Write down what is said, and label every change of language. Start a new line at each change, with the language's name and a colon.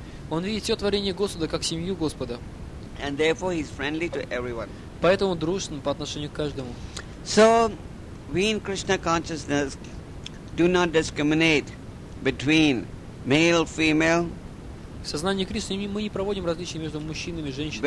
Russian: Он видит все творение Господа как семью Господа.
English: And therefore he is friendly to everyone.
Russian: Поэтому дружен по отношению к каждому.
English: So we in Krishna consciousness do not discriminate between male, female.
Russian: В сознании Кришны мы не проводим различия между мужчинами и женщинами.